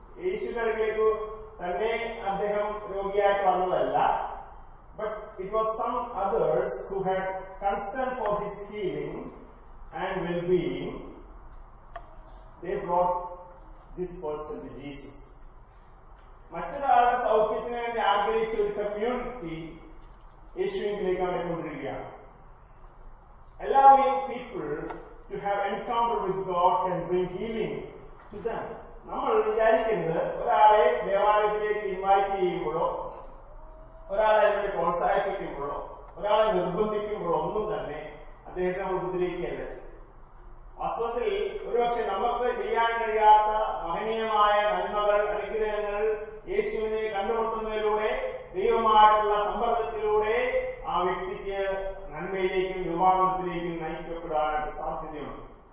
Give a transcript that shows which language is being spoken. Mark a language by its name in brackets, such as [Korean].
[Malayalam] യേശുവിനടുക്കലേക്ക് തന്നെ അദ്ദേഹം രോഗിയായിട്ട് വന്നതല്ല, [English] But it was some others who had concern for his healing and wellbeing they brought this person to Jesus. [Malayalam] മറ്റൊരാളുടെ സൗഖ്യത്തിന് വേണ്ടി ആഗ്രഹിച്ച ഒരു കമ്മ്യൂണിറ്റി യേശുവിലേക്ക് അവരെ കൊണ്ടിരിക്കുകയാണ്. [English] Allowing people to have encounter with God can bring healing to them. [Malayalam] നമ്മൾ വിചാരിക്കുന്നത് ഒരാളെ ദേവാലയത്തിലേക്ക് ഇൻവൈറ്റ് ചെയ്യുമ്പോഴോ ഒരാളെ അതിനെ പ്രോത്സാഹിപ്പിക്കുമ്പോഴോ ഒരാളെ നിർബന്ധിക്കുമ്പോഴോ ഒന്നും തന്നെ അദ്ദേഹത്തെ നമ്മൾ ഉപദ്രവിക്കുകയല്ല. വാസ്തവത്തിൽ ഒരുപക്ഷെ നമുക്ക് ചെയ്യാൻ കഴിയാത്ത മഹനീയമായ നന്മകൾ, അനുഗ്രഹങ്ങൾ യേശുവിനെ കണ്ടുമുട്ടുന്നതിലൂടെ, ദൈവമായിട്ടുള്ള സമ്പർക്കത്തിലൂടെ ആ വ്യക്തിക്ക് നന്മയിലേക്കും നിർവാഹത്തിലേക്കും നയിക്കപ്പെടാനായിട്ട് സാധ്യതയുണ്ട്.